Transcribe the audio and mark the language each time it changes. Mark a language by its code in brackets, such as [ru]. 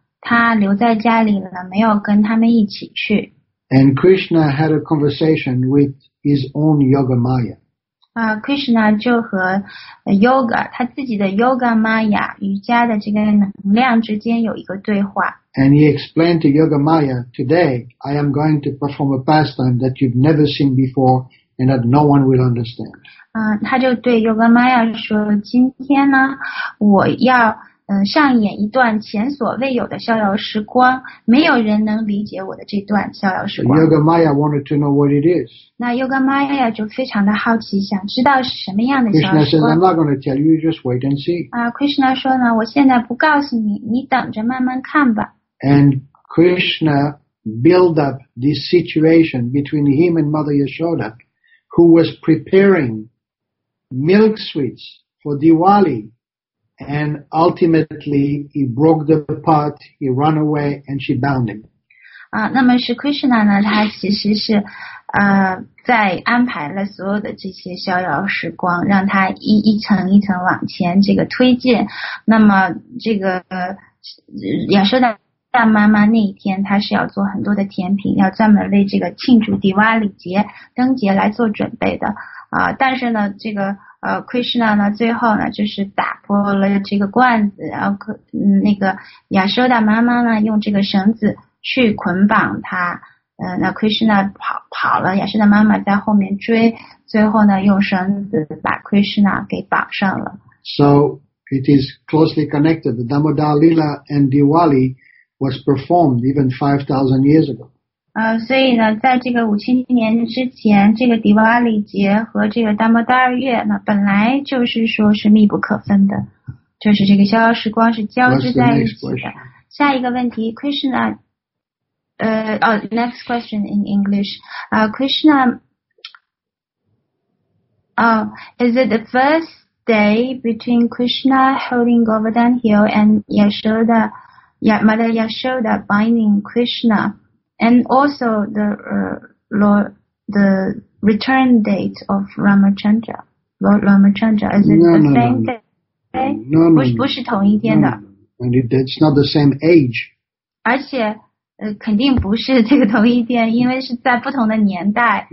[zh] 他留在家里了，没有跟他们一起去。 [en] And Krishna had a conversation with his own Yogamaya. [zh] Krishna 就和 Yoga 他自己的 Yoga Maya 瑜伽的这个能量之间有一个对话。 [en] And he explained to Yoga Maya, today I am going to perform a pastime that you've never seen before and that no one will understand. [zh] 他就对 Yoga Maya 说，今天呢，我要上演一段前所未有的逍遥时光，没有人能理解我的这段逍遥时光。 [en] Yoga Maya wanted to know what it is. [zh] 那 Yoga Maya 就非常的好奇，想知道是什么样的逍遥时光。 [en] Krishna says, I'm not going to tell you, just wait and see. [zh] Krishna 说呢，我现在不告诉你，你等着慢慢看吧。 [en] And Krishna built up this situation between him and Mother Yashoda, who was preparing milk sweets for Diwali. And ultimately, he broke the pot, he ran away, and she bound him. [zh] 那么是 Krishna 呢，他其实是在安排了所有的这些逍遥时光，让他一层一层往前这个推进。那么这个亚瑟的大妈妈那一天，她是要做很多的甜品，要专门为这个庆祝迪瓦里节灯节来做准备的。但是呢，这个Krishna 呢，最后呢，就是打破了这个罐子，然后那个亚瑟的妈妈呢，用这个绳子去捆绑他。那 Krishna 跑了，亚瑟的妈妈在后面追，最后呢，用绳子把 Krishna 给绑上了。 [en] So it is closely connected. The Damodar Lila and Diwali was performed even 5,000 years ago. [zh] 所以呢，在这个五千年之前，这个迪瓦里节和这个达摩达尔月呢，本来就是说是密不可分的，就是这个逍遥时光是交织在一起的。下一个问题 [en] ，Krishna， next question in English， Krishna， is it the first day between Krishna holding Govardhan Hill and Yashoda， Mother Yashoda binding Krishna？ And also the the return date of Ramachandra, Lord Ramachandra, is it the same day? No. [zh] 不是同一天的。 [en] And it's not the same age. [zh] 而且，肯定不是这个同一天，因为是在不同的年代。